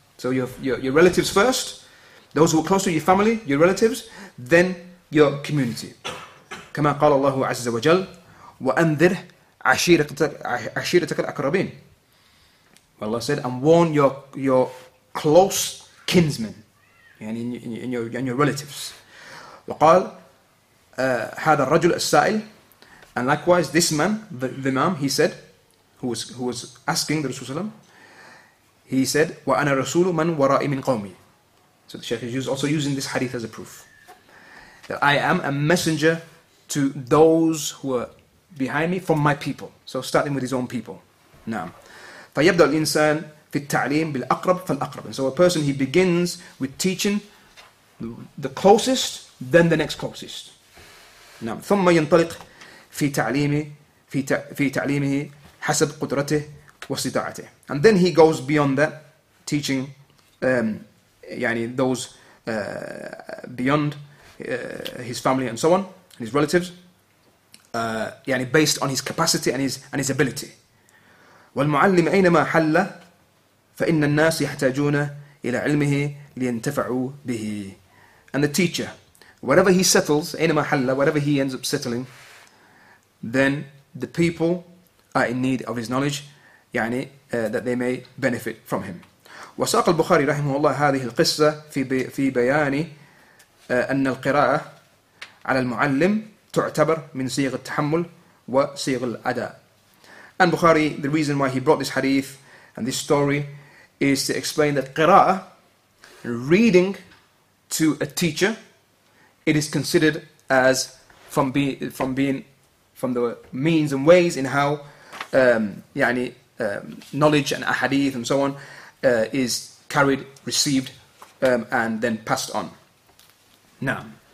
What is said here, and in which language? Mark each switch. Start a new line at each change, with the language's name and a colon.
English: So your relatives first, those who are close to your family, your relatives, then your community.
Arabic: كما قال الله عز وجل وأنذر عشيرتك الأقربين.
English: Allah said, and warn your close kinsmen, يعني in your relatives.
Arabic: وقال هذا الرجل السائل.
English: And likewise, this man, the imam, he said, who was asking the Rasul, he said,
Arabic: وَأَنَا رَسُولُ مَنْ وَرَأِي مِنْ قَوْمِي.
English: So the Shaykh is also using this hadith as a proof. That I am a messenger to those who are behind me from my people. So starting with his own people.
Arabic: نعم. فَيَبْدَى الْإِنسَانِ فِي التَّعْلِيمِ بِالْأَقْرَبِ فَالْأَقْرَبِ.
English: And so a person, he begins with teaching the closest, then the next closest.
Arabic: نعم. ثُمَّ يَنْطَلِقْ فِي تَعْلِيمِهِ حَسَبْ قُدْرَتِهِ وَاسْتِطَاعَتِهِ.
English: And then he goes beyond that, teaching يعني those beyond his family and so on, and his relatives, يعني based on his capacity and his ability.
Arabic: والمعلم أينما حل فإن الناس يحتاجون إلى علمه لينتفعوا به.
English: And the teacher, wherever he settles,
Arabic: أينما حل,
English: wherever he ends up settling, then the people are in need of his knowledge, يعني that they may benefit from him.
Arabic: وساق البخاري رحمه الله هذه القصة في بيان أن القراءة على المعلم تعتبر من صيغ التحمل وصيغ الأداء.
English: And Bukhari, the reason why he brought this hadith and this story is to explain that qira'ah, reading to a teacher, it is considered as from the means and ways in how knowledge and ahadith and so on is carried, received, and then passed on. Naam.